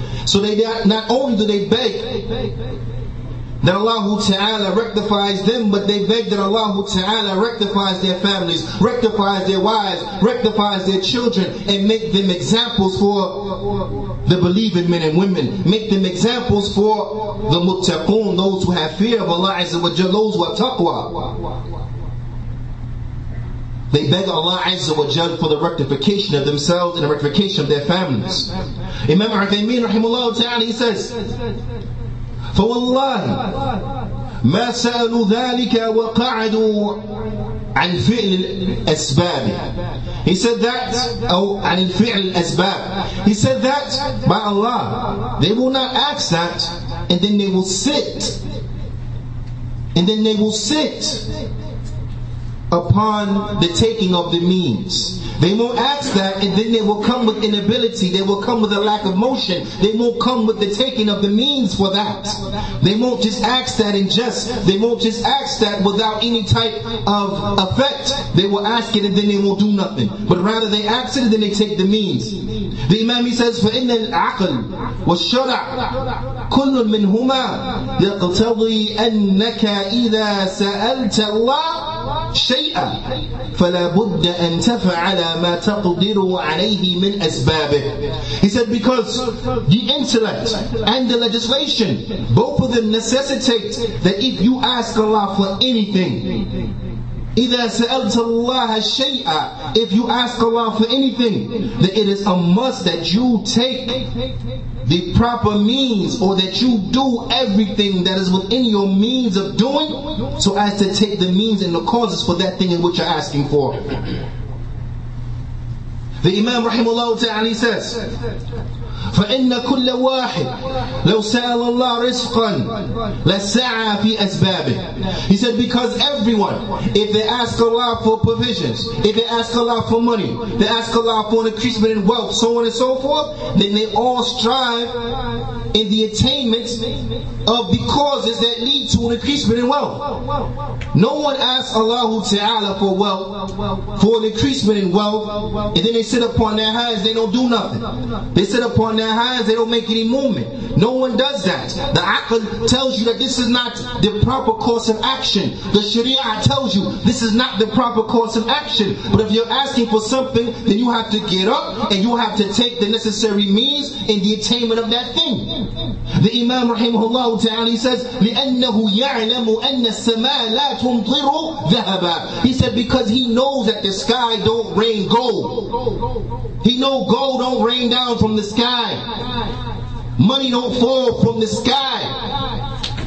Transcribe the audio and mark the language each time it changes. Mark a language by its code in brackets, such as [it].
[en] So they not only do they beg that Allah Ta'ala rectifies them, but they beg that Allah Ta'ala rectifies their families, rectifies their wives, rectifies their children, and make them examples for the believing men and women. Make them examples for the muttaqun, those who have fear of Allah Azza wa Jal, those who have taqwa. They beg Allah Azza wa Jal for the rectification of themselves and the rectification of their families. [ar] Imam Al-Faymin rahimahullah ta'ala, [en] he says, [ar] فَوَاللَّهِ مَا سَأَلُوا ذَٰلِكَ وَقَعَدُوا عَنْ فِعْلِ الْأَسْبَابِ. [en] He said that, [ar] عَنْ فِعْلِ الْأَسْبَابِ. [en] He said that, by Allah, they will not ask that, and then they will sit. And then they will sit upon the taking of the means. They won't ask that, and then they will come with inability. They will come with a lack of motion. They won't come with the taking of the means for that. They won't just ask that and just. They won't just ask that without any type of effect. They will ask it and then they won't do nothing. But rather they ask it and then they take the means. The Imam, he says, [ar] فَإِنَّ الْعَقْلِ وَالشَّرَعْ كُلٌّ مِّنْهُمَا يَقْتَضِي أَنَّكَ إِذَا سَأَلْتَ اللَّهِ شيئا فلا بد أن تفعل ما تقدر عليه من أسبابه. [en] He said, because the intellect and the legislation, both of them necessitate that if you ask Allah for anything, [ar] إذا سألت الله شيئا, [en] if you ask Allah for anything, that it is a must that you take the proper means, or that you do everything that is within your means of doing, so as to take the means and the causes for that thing in which you're asking for. The Imam rahimahullah ta'ala says, [ar] فَإِنَّ كُلَّ وَاحِدْ لَوْ سَأَلَ اللَّهُ رِزْقًا لَسَّعَى فِي أَسْبَابِهِ. [en] He said, because everyone, if they ask Allah for provisions, if they ask Allah for money, they ask Allah for an increase in wealth, so on and so forth, then they all strive in the attainment of the causes that lead to an increase in wealth. No one asks Allah Ta'ala for wealth, for an increase in wealth, and then they sit upon their hands, they don't do nothing. They sit upon their hands, they don't make any movement. No one does that. The Aql tells you that this is not the proper course of action. The Sharia tells you this is not the proper course of action. But if you're asking for something, then you have to get up and you have to take the necessary means in the attainment of that thing. The Imam rahimahullah ta'ala says, [ar] لِأَنَّهُ يَعْلَمُ أَنَّ السَّمَاءَ لَا تُمْطِرُ ذَهَبَا. [en] He said, because he knows that the sky don't rain gold. He know gold don't rain down from the sky. Money don't fall from the sky.